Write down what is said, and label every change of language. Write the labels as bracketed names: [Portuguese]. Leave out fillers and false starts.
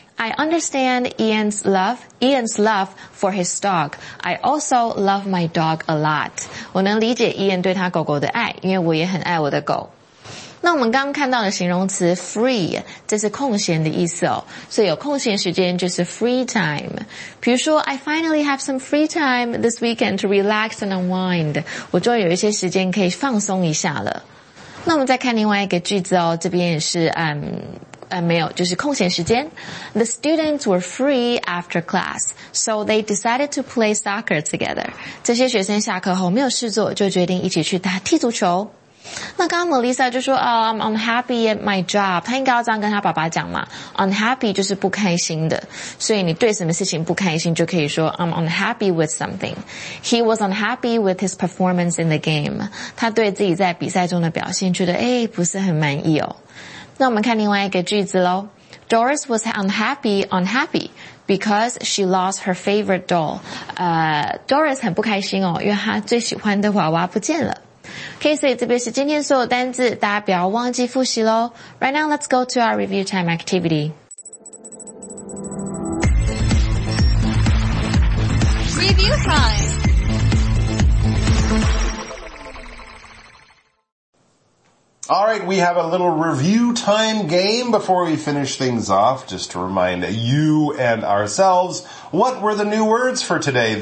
[English] I understand Ian's love for his dog. I also love my dog a lot. [Chinese] 我能理解 Ian 对他狗狗的爱，因为我也很爱我的狗。那我们刚刚看到的形容词 free， 这是空闲的意思哦。所以有空闲时间就是 free time。比如说 [English] ，I finally have some free time this weekend to relax and unwind。 [Chinese] 我终于有一些时间可以放松一下了。那我们再看另外一个句子哦，这边也是没有，就是空闲时间。 [English] The students were free after class, so they decided to play soccer together。 [Chinese] 这些学生下课后没有事做，就决定一起去打踢足球。那刚刚 Melissa 就说、 [English] oh, I'm unhappy at my job， [Chinese] 她应该要这样跟她爸爸讲嘛。 Unhappy 就是不开心的，所以你对什么事情不开心就可以说 [English] I'm unhappy with something。 He was unhappy with his performance in the game， [Chinese] 他对自己在比赛中的表现觉得哎，不是很满意哦。那我们看另外一个句子咯。 [English] Doris was unhappy because she lost her favorite doll. [Chinese] Doris 很不开心哦，因为她最喜欢的娃娃不见了。 [English] Okay, [Chinese] 所以这边是今天所有单字，大家不要忘记复习咯。 [English] Right now, let's go to our review time activity. All right, we have a little review time game before we finish things off, just to remind you and ourselves, what were the new words for today?